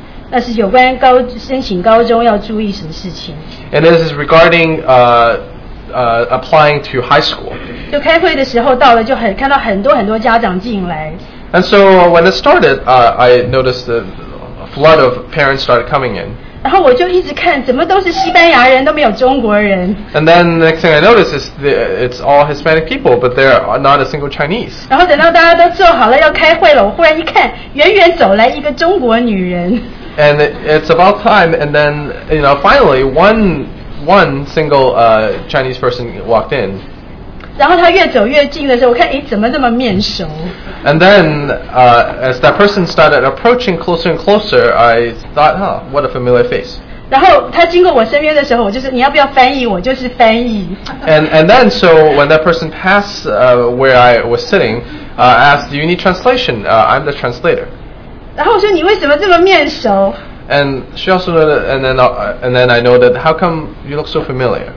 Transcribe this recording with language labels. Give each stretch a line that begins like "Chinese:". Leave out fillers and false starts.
Chinese: 但是有关高申请高中要注意什么事情？
English: And this is regarding applying to high school.
Chinese: 就开会的时候到了，就很看到很多很多家长进来。
English: And so when it started, I noticed the flood of parents started coming in.
Chinese: 然后我就一直看，怎么都是西班牙人，都没有中国人。
English: And then the next thing I noticed is it's all Hispanic people, but there are not a single Chinese.
Chinese: 然后等到大家都坐好了要开会了，我忽然一看，远远走来一个中国女人。
English: And it's about time, and then, you know, finally, one single Chinese person walked in.
Chinese: 然后他越走越近的时候，我看，诶，怎么这么面熟？
English: And then, as that person started approaching closer and closer, I thought, huh, what a familiar face.
Chinese: 然后他经过我身边的时候，我就是你要不要翻译，我就是翻译。
English: And then, so when that person passed where I was sitting, I asked, do you need translation? I'm the translator.
Chinese: 然后我说你为什么这么面熟？
English: And she also noted, and then I noted, how come you look so familiar?